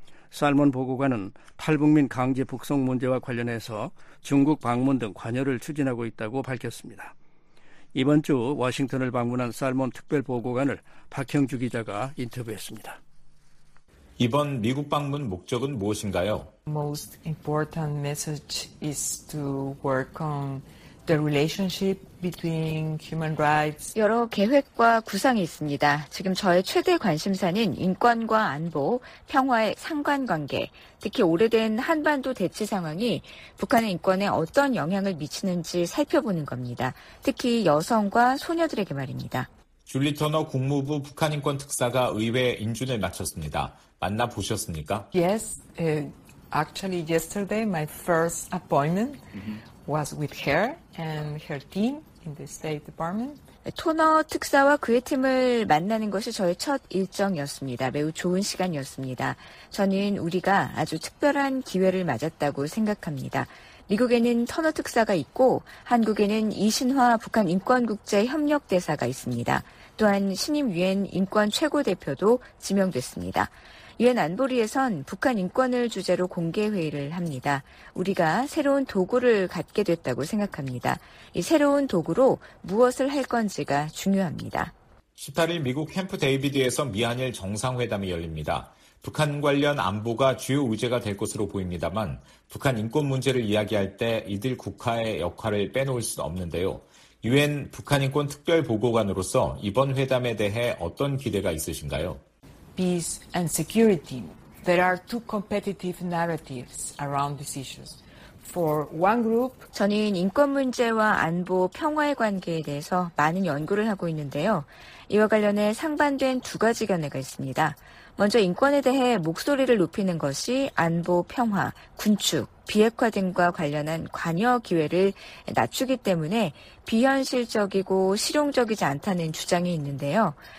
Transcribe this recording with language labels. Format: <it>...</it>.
<ko>살몬 보고관은 탈북민 강제 북송 문제와 관련해서 중국 방문 등 관여를 추진하고 있다고 밝혔습니다. 이번 주 워싱턴을 방문한 살몬 특별보고관을 박형주 기자가 인터뷰했습니다. 이번 미국 방문 목적은 무엇인가요?</ko> <en>Most important message is to work on the relationship between human rights.</en> <ko>여러 계획과 구상이 있습니다. 지금 저의 최대 관심사는 인권과 안보, 평화의 상관관계, 특히 오래된 한반도 대치 상황이 북한의 인권에 어떤 영향을 미치는지 살펴보는 겁니다. 특히 여성과 소녀들에게 말입니다. 줄리 터너 국무부 북한인권특사가 의회 인준을 마쳤습니다. 만나 보셨습니까?</ko> <en>Yes, actually yesterday my first appointment was with her and her team in the State Department.</en> <ko>토너 특사와 그의 팀을 만나는 것이 저의 첫 일정이었습니다. 매우 좋은 시간이었습니다. 저는 우리가 아주 특별한 기회를 맞았다고 생각합니다. 미국에는 터너 특사가 있고 한국에는 이신화 북한인권국제협력대사가 있습니다. 또한 신임 유엔 인권 최고대표도 지명됐습니다. 유엔 안보리에선 북한 인권을 주제로 공개 회의를 합니다. 우리가 새로운 도구를 갖게 됐다고 생각합니다. 이 새로운 도구로 무엇을 할 건지가 중요합니다. 18일 미국 캠프 데이비드에서 미한일 정상회담이 열립니다. 북한 관련 안보가 주요 의제가 될 것으로 보입니다만 북한 인권 문제를 이야기할 때 이들 국가의 역할을 빼놓을 수 없는데요. 유엔 북한인권특별보고관으로서 이번 회담에 대해 어떤 기대가 있으신가요?</ko> <en>Peace and security. There are two competitive narratives around these issues. For one group,</en> <ko>저는 인권 문제와 안보, 평화의 관계에 대해서 많은 연구를 하고 있는데요. 이와 관련해 상반된 두 가지 견해가 있습니다. 먼저 인권에 대해 목소리를 높이는 것이 안보, 평화, 군축, 비핵화 등과 관련한 관여 기회를 낮추기 때문에 비현실적이고 실용적이지 않다는 주장이 있는데요.</ko>